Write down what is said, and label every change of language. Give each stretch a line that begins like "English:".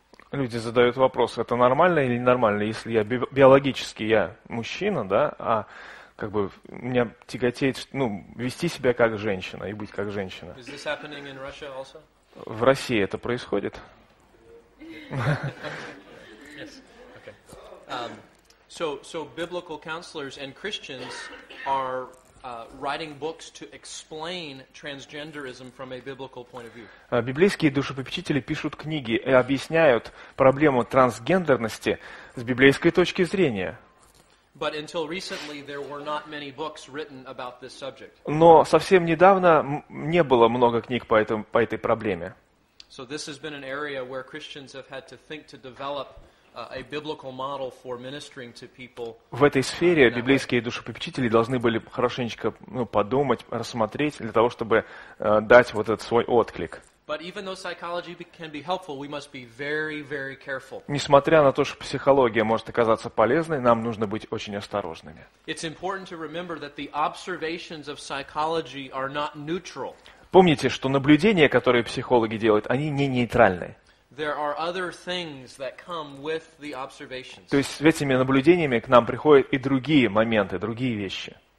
Russian: Люди задают вопрос, это нормально или ненормально, если я биологически я мужчина, да, а как бы у меня тяготеет, ну, вести себя как женщина и быть как женщина.
English: Is this happening in Russia also?
Russian: В России это происходит?
English: Yes. Okay. So biblical counselors and Christians are writing books to explain transgenderism from a biblical point of view.
Russian: Библейские душепопечители пишут книги и объясняют проблему трансгендерности с библейской точки зрения.
English: But until recently there were not many books written about this subject.
Russian: Но совсем недавно не было много книг по этой проблеме.
English: So this has been an area where Christians have had to think to develop a biblical model for ministering to people.
Russian: В этой сфере библейские душепопечители должны были хорошенечко, ну, подумать, рассмотреть для того, чтобы дать вот этот свой отклик.
English: But even though psychology can be helpful, we must be very, very careful.
Russian: Несмотря на то, что психология может оказаться полезной, нам нужно быть очень осторожными.
English: It's important to remember that the observations of psychology are not neutral.
Russian: Помните, что наблюдения, которые психологи делают, они не нейтральны.
English: There are other things that come with the observations.
Russian: То есть с этими наблюдениями к нам приходят и другие моменты, другие вещи.